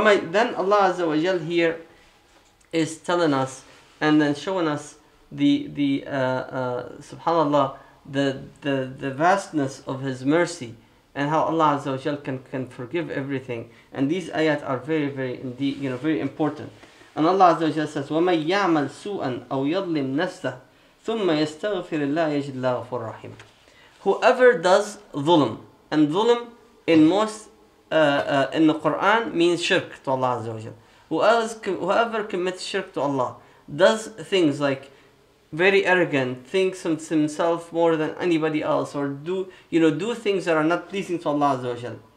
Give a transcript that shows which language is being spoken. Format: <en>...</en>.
<en>Then Allah Azza wa Jal here is telling us and then showing us subhanAllah, the vastness of His mercy and how Allah Azza wa Jal can forgive everything. And these ayat are very, very indeed, you know, very important. And Allah Azza wa Jal says,</en> <ar>وَمَنْ يَعْمَلْ سُوءًا أَوْ يَظْلِمْ نَفْسَهُ ثُمَّ يَسْتَغْفِرِ اللَّهِ يَجِدْ اللَّهَ غَفُورًا رَحِيمًا.</ar> <en>Whoever does dhulm, and dhulm in most in the Quran means shirk to Allah Azza wa Jal. Whoever commits shirk to Allah, does things like very arrogant, thinks of himself more than anybody else, or do things that are not pleasing to Allah Azza wa Jal.</en>